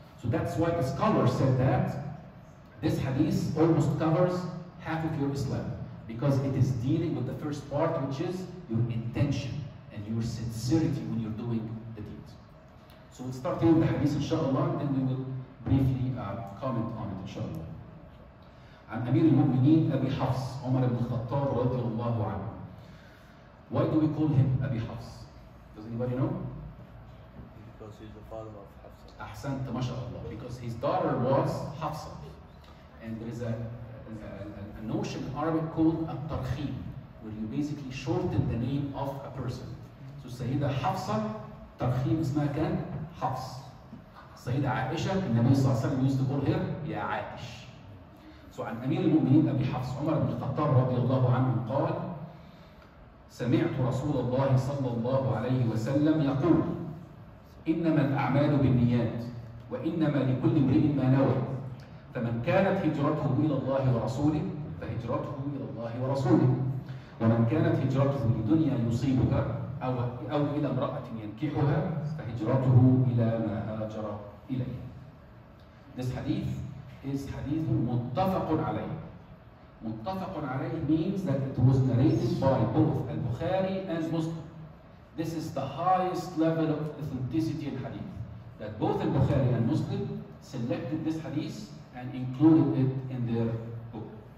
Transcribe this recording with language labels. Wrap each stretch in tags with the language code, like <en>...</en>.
<en>So that's why the scholar said that this hadith almost covers half of your Islam, because it is dealing with the first part, which is your intention and your sincerity when you're doing the deed. So we'll start here with the hadith, inshallah, then we will briefly comment on it, inshallah.</en> <ar>عن أمير المؤمنين أبي حفص عمر بن الخطاب رضي الله عنه.</ar> <en>Why do we call him Abi Hafs? Does anybody know? Because he's the father of Hafsa. Ahsant, mashallah. Because his daughter was Hafsa. And there is a notion in Arabic called At-Tarkhim, where you basically shorten the name of a person. So Sayyida Hafsa, Tarkhim is makan Hafs. Sayyida Aisha, the Nabi Sallallahu Alaihi Wasallam used to call her Ya Aish.</en> <ar>So عن أمير المؤمنين أبي حفص عمر بن الخطاب رضي الله عنه قال سمعت رسول الله صلى الله عليه وسلم يقول إنما الأعمال بالنيات وإنما لكل امرئ ما نوى فمن كانت هجرته إلى الله ورسوله فهجرته إلى الله ورسوله ومن كانت هجرته لدنيا يصيبها أو إلى امرأة ينكحها فهجرته إلى ما هاجر إليه.</ar> <en>This hadith is hadith متفق عليه. متفق عليه means that it was narrated by both Al-Bukhari and Muslim. This is the highest level of authenticity in hadith, that both Al-Bukhari and Muslim selected this hadith and included it in their book.</en>